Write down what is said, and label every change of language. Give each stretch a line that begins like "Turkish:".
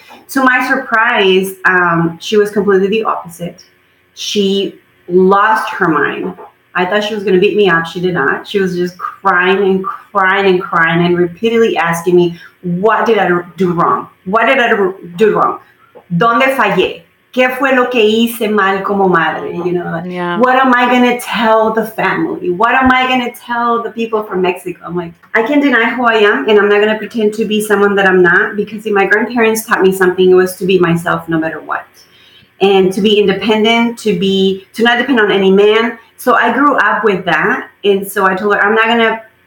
English: To my surprise, she was completely the opposite. She lost her mind. I thought she was going to beat me up. She did not. She was just crying and crying and crying and repeatedly asking me, what did I do wrong? What did I do wrong?
Spanish: ¿Dónde fallé? ¿Qué fue lo que hice mal como madre?
English: You know, like, yeah. What am I going to tell the family? What am I going to tell the people from Mexico? I'm like, I can't deny who I am, and I'm not going to pretend to be someone that I'm not, because if my grandparents taught me something, it was to be myself no matter what, and to be independent, to not depend on any man. So I grew up with that, and so I told her, I'm not going to